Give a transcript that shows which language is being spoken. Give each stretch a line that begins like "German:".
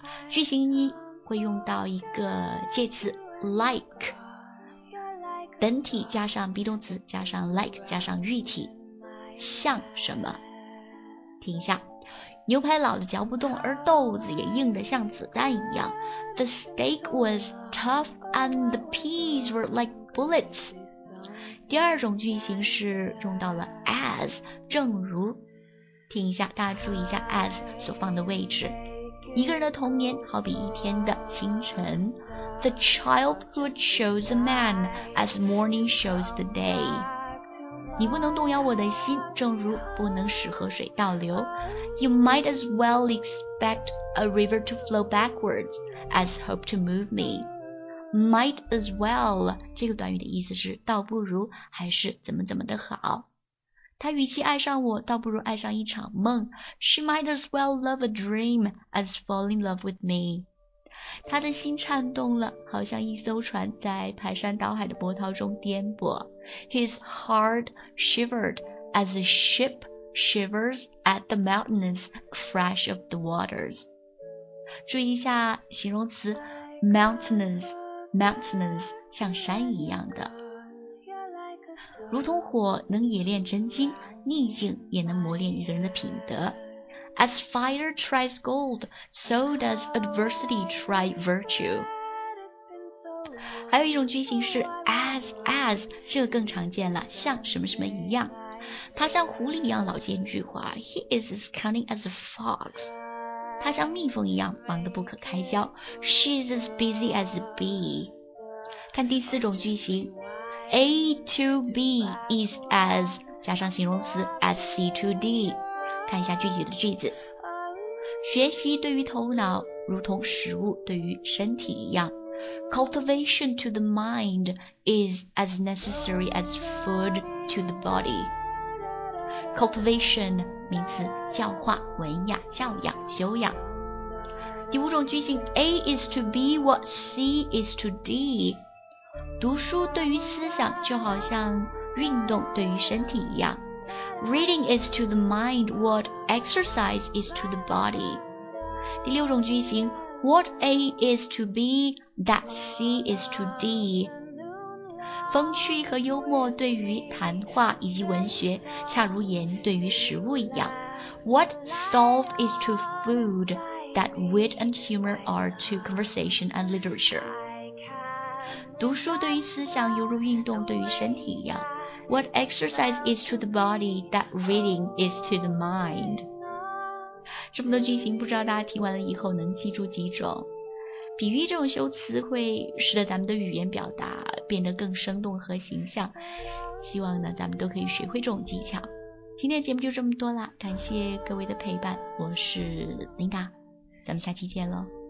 Chinese: 句型一会用到一个介词 like， 本体加上 be 动词加上 like 加上喻体，像什么？听一下。牛排老得嚼不动，而豆子也硬得像子弹一样。
English: The steak was tough and the peas were like bullets.
Chinese: 第二种句型是用到了 as， 正如。听一下，大家注意一下 as 所放的位置。一个人的童年好比一天的清晨。
English: The childhood shows a man as morning shows the day.
Chinese: 你不能动摇我的心，正如不能使河水倒流。
English: You might as well expect a river to flow backwards as hope to move me.
Chinese: Might as well 这个短语的意思是倒不如，还是怎么怎么的好。他与其爱上我，倒不如爱上一场梦。
English: She might as well love a dream as fall in love with me.
Chinese: 他的心颤动了，好像一艘船在排山倒海的波涛中颠簸。
English: His heart shivered as a ship shivers at the mountainous crash of the waters.
Chinese: 注意一下形容词 mountainous, mountainous, 像山一样的。如同火能冶炼真金，逆境也能磨练一个人的品德。
English: As fire tries gold, so does adversity try virtue.
Chinese: 还有一种句型是 as， 这个更常见了，像什么什么一样。他像狐狸一样老奸巨猾，
English: He is as cunning as a fox.
Chinese: 他像蜜蜂一样忙得不可开交，
English: She's as busy as a bee.
Chinese: 看第四种句型，
English: A to B is as
Chinese: 加上形容词
English: as C to D.
Chinese: 看一下具体的句子。学习对于头脑如同食物对于身体一样。
English: Cultivation to the mind is as necessary as food to the body.
Chinese: Cultivation 名词，教化、文雅、教养、修养。第五种句型 A is to B what C is to D. 读书对于思想就好像运动对于身体一样。
English: Reading is to the mind what exercise is to the body.
Chinese: 第六种句型
English: What A is to B, that C is to D.
Chinese: 风趣和幽默对于谈话以及文学，恰如盐对于食物一样。
English: What salt is to food, that wit and humor are to conversation and literature.
Chinese: 读书对于思想犹如运动对于身体一样。
English: What exercise is to the body, that reading is to the mind.
Chinese: 这么多句型，不知道大家听完了以后能记住几种。比喻这种修辞会使得咱们的语言表达变得更生动和形象，希望呢咱们都可以学会这种技巧。今天的节目就这么多了，感谢各位的陪伴，我是琳达，咱们下期见喽。